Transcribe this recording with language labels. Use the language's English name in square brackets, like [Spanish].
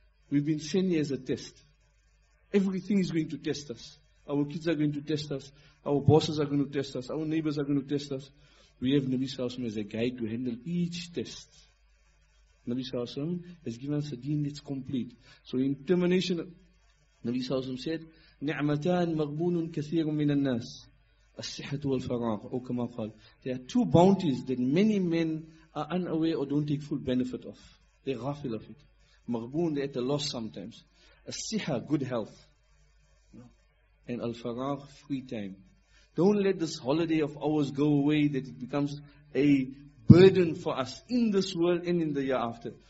[English] We've been sent here as a test. Everything is going to test us. Our kids are going to test us. Our bosses are going to test us. Our neighbors are going to test us. We have Nabi Sallallahu Alaihi Wasallam as a guide to handle each test. Nabi Sallallahu Alaihi Wasallam has given us a deen that's complete. So in termination, Nabi Sallallahu Alaihi Wasallam said, [Arabic] نِعْمَتَانْ مَغْبُونٌ كَثِيرٌ مِنَ النَّاسِ الصِّحَةُ وَالْفَرَاغُ أو كَمَا قَالْ. [English] There are two bounties that many men are unaware or don't take full benefit of. They're ghafil of it. مَغْبُونَ, they're at a loss sometimes. الصِّحَة, good health. And الْفَرَاغُ, free time. Don't let this holiday of ours go away that it becomes a burden for us in this world and in the year after.